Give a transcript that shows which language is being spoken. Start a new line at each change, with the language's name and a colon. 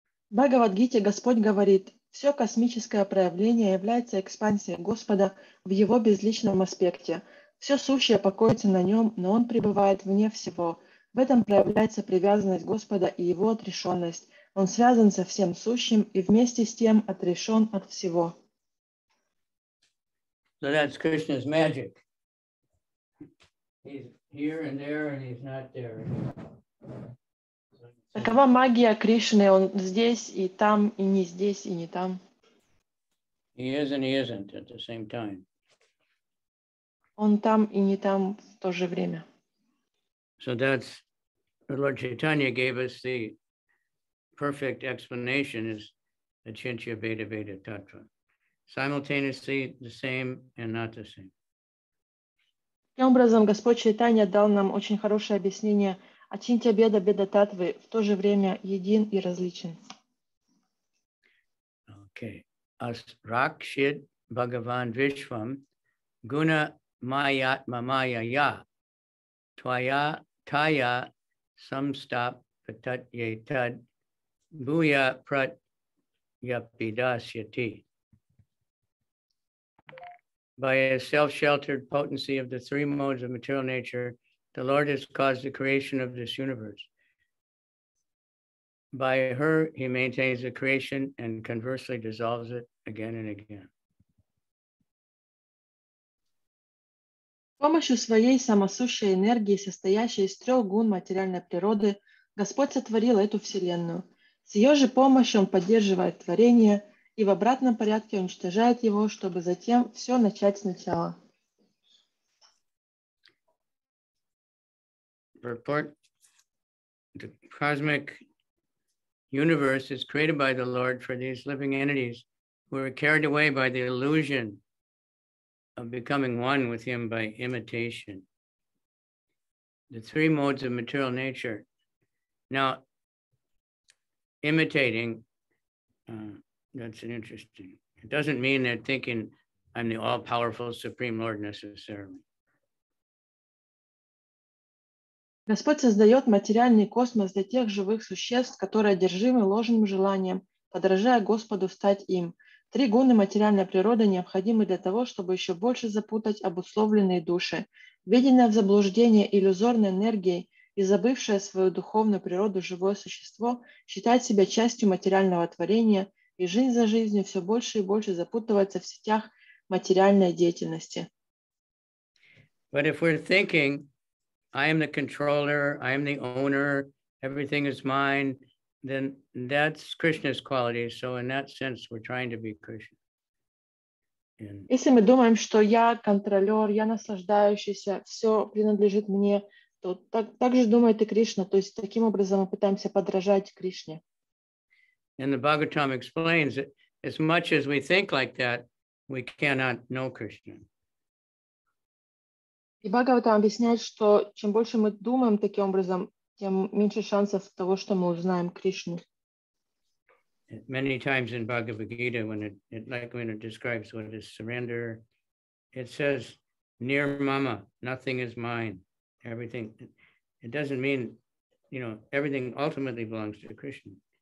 Russian: В Бхагавад-гите Господь говорит, все космическое проявление является экспансией Господа в его безличном аспекте. Все сущее покоится на нем, но он пребывает вне всего. В этом проявляется привязанность Господа и его отрешенность. Он связан со всем сущим и вместе с тем отрешен от всего.
English: So that's Krishna's magic. He's here and there, and he's not there.
Russian: Такова магия Кришны. Он здесь и там, и не здесь, и не там.
English: He is and he isn't at the same time.
Russian: Он там и не там в то же время.
English: So that's Lord Chaitanya gave us the perfect explanation is Achintya Veda Veda Tattva. Simultaneously the same and not the same.
Russian: Таким образом, Господь Чайтанья дал нам очень хорошее объяснение Ачинтья Беда Беда Таттвы в то же время един и различен.
English: Okay.
Sanskrit: Asrakshit Bhagavan Vishvam Guna Mayatma Maya Ya Twaya Taya Samstap Patat Yetad Buya Prat Yapidasyati.
English: By a self-sheltered potency of the three modes of material nature, the Lord has caused the creation of this universe. By her, he maintains the creation and conversely dissolves it again and again.
Russian: С помощью своей самосущей энергии, состоящей из трех гун материальной природы, Господь сотворил эту вселенную. С ее же помощью он поддерживает творение, и в обратном порядке уничтожает его, чтобы затем все начать сначала.
English: Report. The cosmic universe is created by the Lord for these living entities who are carried away by the illusion of becoming one with him by imitation. The three modes of material nature. Now, imitating, that's an interesting. It doesn't mean they're thinking I'm the all-powerful Supreme Lord necessarily.
Russian: Господь создает материальный космос для тех живых существ, которые одержимы ложным желанием, подражая Господу стать им. Три гуны материальной природы необходимы для того, чтобы еще больше запутать обусловленные души, введенные в заблуждение иллюзорной энергией и забывшее свою духовную природу живое существо считает себя частью материального творения, и жизнь за жизнью все больше и больше запутывается в сетях материальной деятельности.
English: But if we're thinking, I am the controller, I am the owner, everything is mine, then that's Krishna's quality. So in that sense, we're trying to be Krishna.
Russian: Если мы думаем, что я контролер, я наслаждающийся, все принадлежит мне, то так же думает и Кришна. То есть таким образом мы пытаемся подражать Кришне.
English: And the Bhagavatam explains that as much as we think like that, we cannot know Krishna.
Russian: И Бхагаватам объясняет, что чем больше мы думаем таким образом, тем меньше шансов того, что мы узнаем Кришну.
English: Many times in Bhagavad Gita, when it describes what is surrender, it says, near mama, nothing is mine. Everything, it doesn't mean, you know, everything ultimately belongs to Krishna.